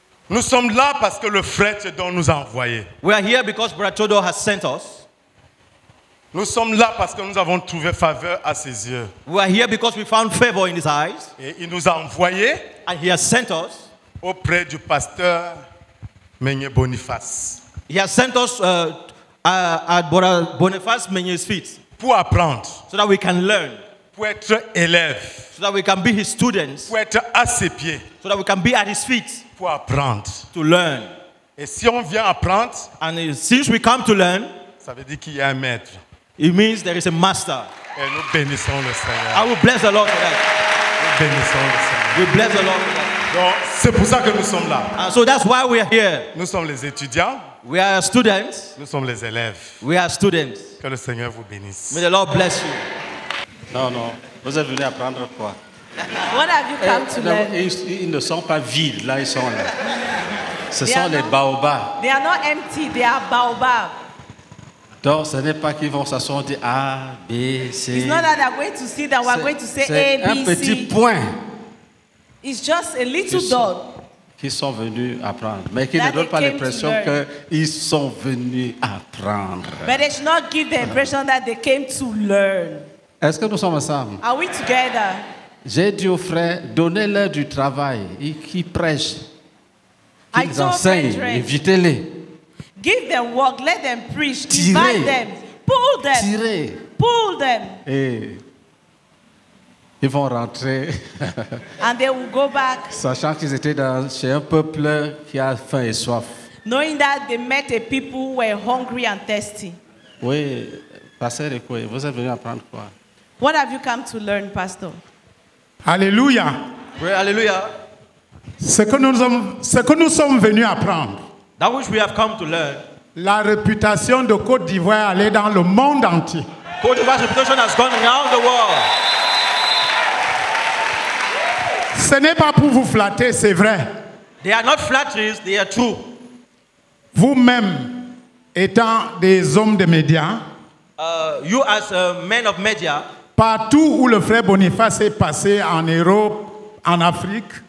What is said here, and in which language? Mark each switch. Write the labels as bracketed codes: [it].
[fr] Nous sommes là parce que le frère Théodore nous a envoyé. [en] We are here because Brother Théodore has sent us. [fr] Nous sommes là parce que nous avons trouvé faveur à ses yeux. [en] We are here because we found favor in his eyes. [fr] Et il nous a envoyé. [en] And he has sent us. [fr] Auprès du pasteur Meunier Boniface. [en] He has sent us at Brother Boniface Meunier's feet. [fr] Pour apprendre. [en] So that we can learn. [fr] Pour être élève. [en] So that we can be his students. [fr] Pour être à ses pieds. [en] So that we can be at his feet. [fr] Pour apprendre. [en] To learn. [fr] Et si on vient apprendre. [en] And since we come to learn. [fr] Ça veut dire qu'il y a un maître. [en] It means there is a master. [fr] Et nous bénissons le Seigneur. [en] I will bless the Lord for that. [fr] Nous bénissons le Seigneur. [en] We bless the Lord for that. [fr] Donc, c'est pour ça que nous sommes là. [en] And so that's why we are here. [fr] Nous sommes les étudiants. [en] We are students. [fr] Nous sommes les élèves. [en] We are students. [fr] Que le Seigneur vous bénisse. [en] May the Lord bless you. [fr] Non. Vous êtes venus apprendre quoi? [en] What have you come to learn? [fr] Ils ne sont pas vides. Là, ils sont là. Ce sont les baobabs. [en] They are not empty. They are baobabs. [fr] Donc, ce n'est pas qu'ils vont s'asseoir et dire A, B, C. [en] It's not that they're going to see that we're going to say A, B, C. [fr] C'est un petit point. [en] It's just a little dot. [fr] Qu'ils sont venus apprendre. Mais qu'ils ne donnent pas l'impression qu'ils sont venus apprendre. [en] But they should not give the impression that they came to learn. [fr] Est-ce que nous sommes ensemble? [en] Are we together? [fr] J'ai dit aux frères, donnez-leur du travail, qu'ils prêchent, qu'ils enseignent, invitez-les. [en] Give them work, let them preach, invite them, pull them, [fr] tirer, [en] pull them. [fr] Et ils vont rentrer. [en] And they will go back. [fr] Sachant qu'ils étaient chez un peuple qui a faim et soif. [en] Knowing that they met a people who were hungry and thirsty. [fr] Oui, pasteur, écoutez, vous êtes venu apprendre quoi? [en] What have you come to learn, pastor? [fr] Alléluia. Oui, alléluia. Ce que nous sommes venus apprendre. [en] That which we have come to learn. [fr] La réputation de Côte d'Ivoire allait dans le monde entier. [en] Côte d'Ivoire's reputation has gone around the world. [fr] Ce n'est pas pour vous flatter, c'est vrai. [en] They are not flatteries, they are true. [fr] Vous-même, étant des hommes de médias, [en] you as a man of media, [fr] partout où le frère Boniface est passé en Europe, en Afrique,